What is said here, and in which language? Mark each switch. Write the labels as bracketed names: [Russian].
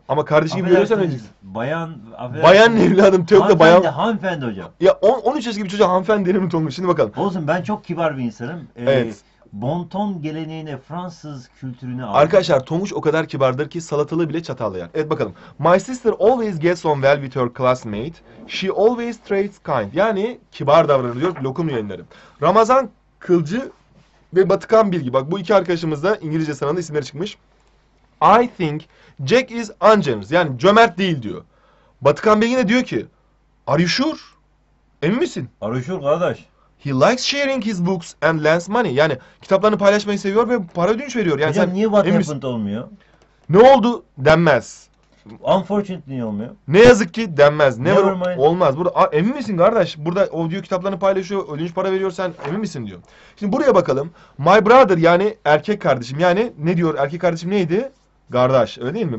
[Turkish] Ama kardeş gibi görüyorsan önce. Bayan, bayan ne evladım? Tövbe hanımefendi, Hanımefendi hocam. Ya 13 yaş gibi çocuğa hanımefendi denir mi Tonguç? Şimdi bakalım. Olsun, ben çok kibar bir insanım. Evet. Bonton geleneğine, Fransız kültürüne ait. Arkadaşlar Tonguç o kadar kibardır ki salatalığı bile çatallayan. Evet bakalım. [English] My sister always gets on well with her classmate. She always treats kind. [Turkish] Yani kibar davranır diyor. Lokum yayınları. Ramazan Kılcı ve Batıkan Bilgi. Bak bu iki arkadaşımız da İngilizce sanalı isimleri çıkmış. [English] I think Jack is ungenerous. [Turkish] Yani cömert değil diyor. Batıkan Bey yine diyor ki, [English] are you sure? [Turkish] Emin misin? [English] Are you sure [Turkish] kardeş? [English] He likes sharing his books and lends money. [Turkish] Yani kitaplarını paylaşmayı seviyor ve para ödünç veriyor. Yani hocam sen, niye [English] what happened [Turkish] olmuyor? Ne oldu denmez. [English] Unfortunately [Turkish] olmuyor. Ne yazık ki denmez. [English] Never mind. [Turkish] Olmaz. Burada, emin misin kardeş? Burada o diyor kitaplarını paylaşıyor, ödünç para veriyor, sen emin misin diyor. Şimdi buraya bakalım. [English] My brother, [Turkish] yani erkek kardeşim. Yani ne diyor? Erkek kardeşim neydi? Kardeş, öyle değil mi?